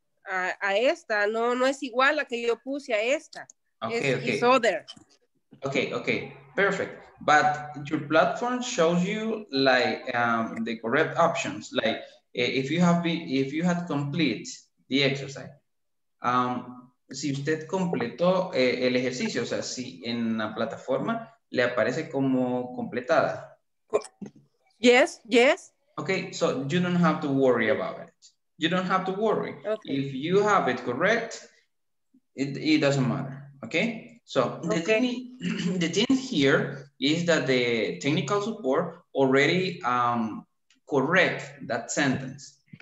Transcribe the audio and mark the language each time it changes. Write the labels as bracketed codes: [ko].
[es] A esta no es igual a que yo puse a esta. [en] Okay, it's, okay. It's other. Okay, perfect. But your platform shows you like the correct options. Like if you have completed the exercise, [es] si usted completó el ejercicio, o sea, si en la plataforma le aparece como completada. [en] Yes, yes. Okay, so you don't have to worry about it. You don't have to worry. Okay. If you have it correct, it doesn't matter, okay? So the, okay. The thing here is that the technical support already correct that sentence.